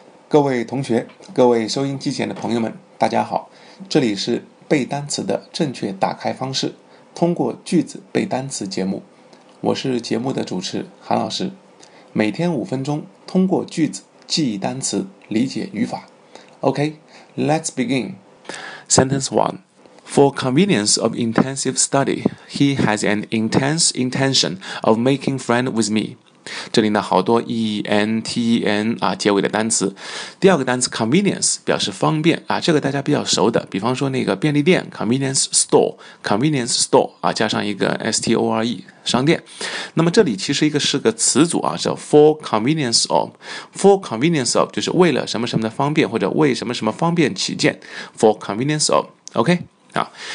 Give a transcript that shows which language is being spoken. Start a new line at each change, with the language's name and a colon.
Chinese: 各位同学，各位收音机前的朋友们，大家好，这里是背单词的正确打开方式，通过句子背单词节目，我是节目的主持韩老师，每天五分钟，通过句子记忆单词，理解语法。
English: OK, let's begin. Sentence 1. For convenience of intensive study, he has an intense intention of making friend with me.
Chinese: 这里呢好多 E-N-T-E-N、啊、结尾的单词，第二个单词 convenience 表示方便、啊、这个大家比较熟的，比方说那个便利店
English: convenience store、
Chinese: 啊、加上一个 store 商店，那么这里其实一个是个词组、啊、叫
English: for convenience of
Chinese: 就是为了什么什么的方便，或者为什么什么方便起见 for convenience of OK啊、